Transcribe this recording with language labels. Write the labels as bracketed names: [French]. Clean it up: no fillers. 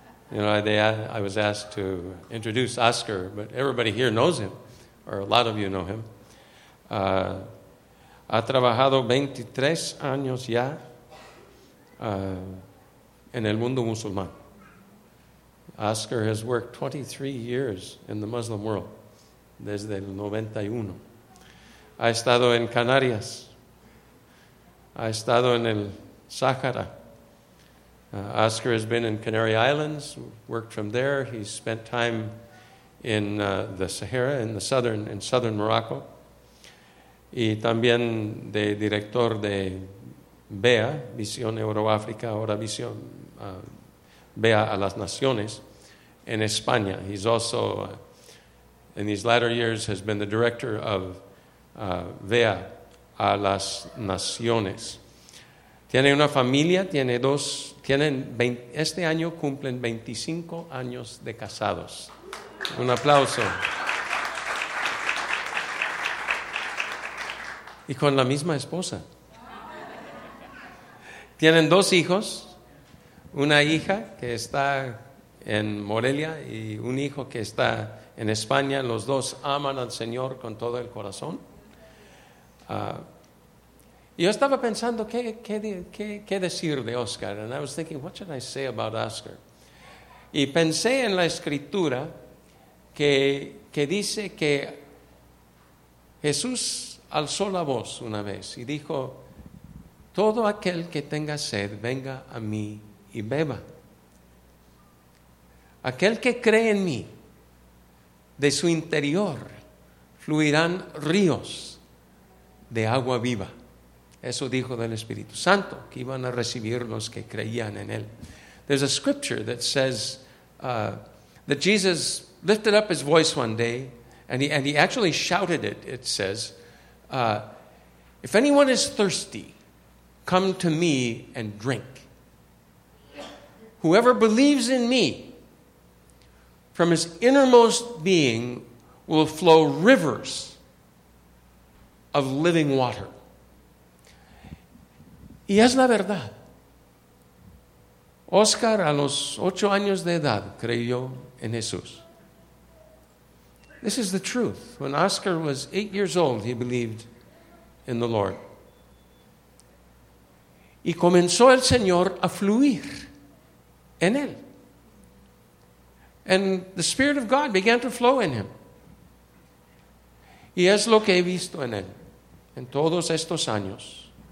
[English] You know, I was asked to introduce Oscar, but everybody here knows him, or a lot of you know him. [Spanish] Ha trabajado 23 años ya en el mundo musulmán. [English] Oscar has worked 23 years in the Muslim world, [Spanish] desde el 91. Ha estado en Canarias. Ha estado en el Sahara. [English] Oscar has been in Canary Islands, worked from there. He's spent time in the Sahara, in southern Morocco. [Spanish] Y también de director de BEA, Visión Euroáfrica, ahora Visión BEA a las Naciones, in España. [English] He's also, in these latter years, has been the director of BEA a las Naciones. [Spanish] Tiene una familia, este año cumplen 25 años de casados. Un aplauso. Y con la misma esposa. Tienen dos hijos, una hija que está en Morelia y un hijo que está en España. Los dos aman al Señor con todo el corazón. Yo estaba pensando, ¿qué decir de Oscar? [English] And I was thinking, what should I say about Oscar? [Spanish] Y pensé en la escritura que dice que Jesús alzó la voz una vez y dijo, todo aquel que tenga sed, venga a mí y beba. Aquel que cree en mí, de su interior fluirán ríos de agua viva. Eso dijo del Espíritu Santo, que iban a recibir los que creían en él. [English] There's a scripture that says that Jesus lifted up his voice one day, and he actually shouted it. It says, if anyone is thirsty, come to me and drink. Whoever believes in me, from his innermost being, will flow rivers of living water. [Spanish] Y es la verdad. Oscar, a los 8 años de edad, creyó en Jesús. [English] This is the truth. When Oscar was 8 years old, he believed in the Lord. [Spanish] Y comenzó el Señor a fluir en él. [English] And the Spirit of God began to flow in him. [Spanish] Y es lo que he visto en él en todos estos años.